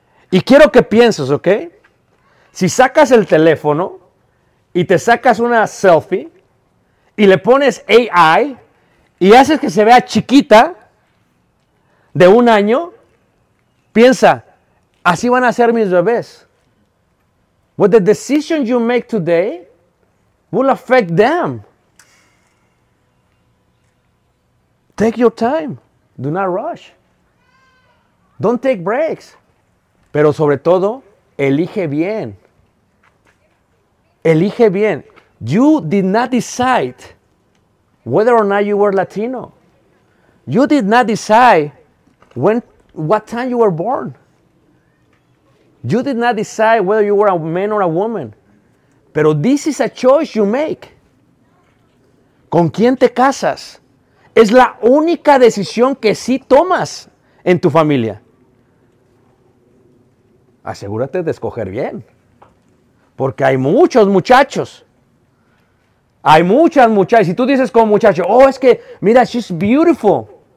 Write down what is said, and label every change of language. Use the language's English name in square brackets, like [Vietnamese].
[Spanish] Y quiero que pienses, ¿ok? Si sacas el teléfono y te sacas una selfie y le pones AI y haces que se vea chiquita de un año, piensa, así van a ser mis bebés. [English] What the decision you make today will affect them. Take your time. Do not rush. Don't take breaks. [Spanish] Pero sobre todo, elige bien. Elige bien. [English] You did not decide whether or not you were Latino. You did not decide what time you were born. You did not decide whether you were a man or a woman. [Spanish] Pero [English] this is a choice you make. [Spanish] ¿Con quién te casas? Es la única decisión que sí tomas en tu familia. Asegúrate de escoger bien. Porque hay muchos muchachos. Hay muchas muchachas. Y tú dices como muchacho, oh, es que, mira, [English] she's beautiful.